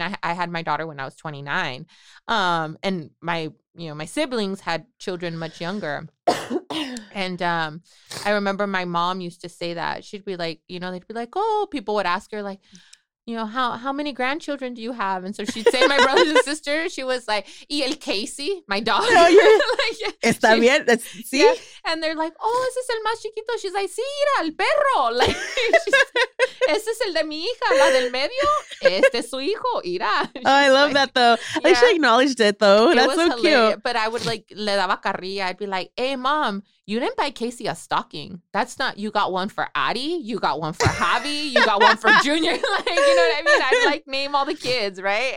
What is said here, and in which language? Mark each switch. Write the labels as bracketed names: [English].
[English] I had my daughter when I was 29. And my siblings had children much younger. And I remember my mom used to say that. She'd be like, you know, they'd be like, oh, people would ask her, like, you know, how many grandchildren do you have? And so she'd say, my brothers and sisters. She was like, [Spanish] y el Casey, [English] my dog. No, like, [Spanish] está bien, [English] that's, [Spanish] sí. [English] Yeah. And they're like, oh, [Spanish] ese es el más chiquito. [English] She's like, [Spanish] sí, era el perro. [English] Like, [Spanish] ese es el de mi hija, la del medio. Este es su hijo, irá. [English] Oh, I love, like, that, though. Yeah. Like, she acknowledged it, though. It that's so hilarious. Cute. But I would, like, [Spanish] le daba carrilla. [English] I'd be like, hey, mom, you didn't buy Casey a stocking. That's not, you got one for Adi. You got one for Javi. You got one for Junior. Like, you know what I mean? I'd, like, name all the kids, right?